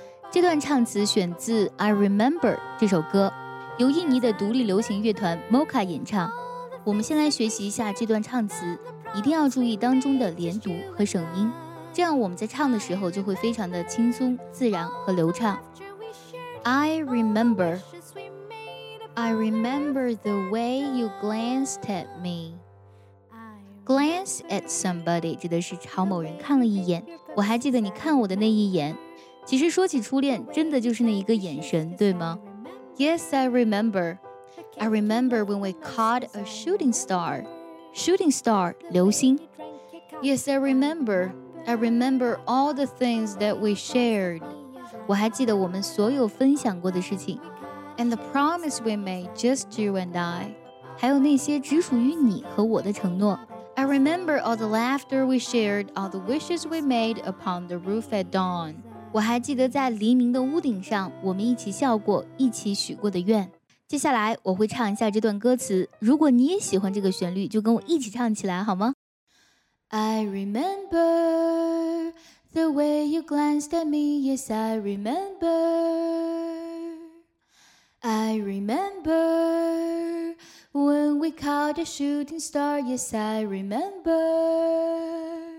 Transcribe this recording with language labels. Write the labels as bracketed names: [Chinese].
[Chinese] 这段唱词选自 I Remember 这首歌，由印尼的独立流行乐团 Mocha 演唱。我们先来学习一下这段唱词，一定要注意当中的连读和省音，这样我们在唱的时候就会非常的轻松自然和流畅。 [English] I remember, I remember the way you glanced at me. [Chinese] Glance at somebody 指的是朝某人看了一眼。我还记得你看我的那一眼。其实说起初恋，真的就是那一个眼神，对吗？ [English] Yes, I remember. I remember when we caught a shooting star. Shooting star, 流星。 Yes, I remember. I remember all the things that we shared. [Chinese] 我还记得我们所有分享过的事情。 [English] And the promise we made, just you and I. [Chinese] 还有那些只属于你和我的承诺。 [English] I remember all the laughter we shared, all the wishes we made upon the roof at dawn. [Chinese] 我还记得在黎明的屋顶上，我们一起笑过，一起许过的愿。接下来我会唱一下这段歌词，如果你也喜欢这个旋律，就跟我一起唱起来好吗？ [English] I remember the way you glanced at me, yes I remember. I remember when we caught a shooting star, yes I remember.